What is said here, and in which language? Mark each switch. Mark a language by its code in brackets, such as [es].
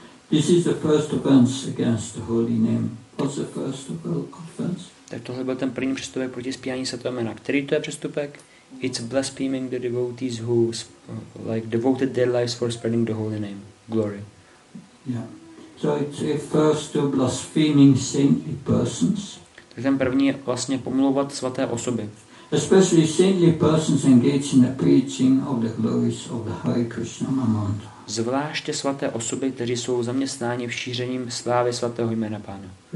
[en] This is the first offense against the holy name. What's the first of all offense? [cs] Tak tohle byl ten první přestupek proti zpívání svatého jména. Který to je přestupek? [en] It's blaspheming the devotees who like devoted their lives for spreading the holy name, glory. Yeah. So it refers to blaspheming saintly persons. [cs] Tak ten první je vlastně pomlouvat svaté osoby. [en] Especially saintly persons engaged in the preaching of the glories of the Hare Krishna mantra. [cs] Zvláště svaté osoby, kteří jsou zaměstnáni v šířením slávy svatého jména Pána.